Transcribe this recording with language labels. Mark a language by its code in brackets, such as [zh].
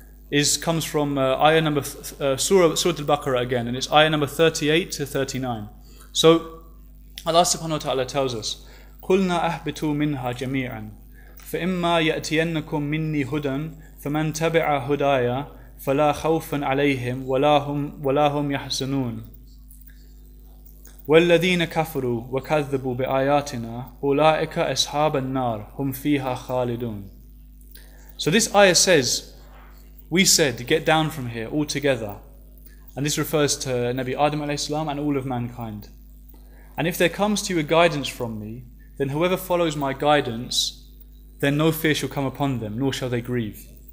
[en] The second point comes from ayah number Surah Al-Baqarah again, and it's ayah number 38-39. [ar] So Allah subhanahu wa ta'ala tells us, قُلْنَا أَحْبِتُوا مِنْهَا جَمِيعًا فَإِمَّا يَأْتِيَنَّكُمْ مِنِّي هُدًى فَمَنْ تَبِعَ هُدَايَ فَلَا خَوْفًا عَلَيْهِمْ وَلَا هُمْ يَحْزَنُونَ وَالَّذِينَ كَفَرُوا وَكَذَّبُوا بِآيَاتِنَا أُولَٰئِكَ أَصْحَابُ النَّارِ هُمْ فِيهَا خَالِدُونَ. [en] So this ayah says, we said, get down from here all together. And this refers to Nabi Adam alayhi salam and all of mankind. And if there comes to you a guidance from me, then whoever follows my guidance, then no fear shall come upon them, nor shall they grieve.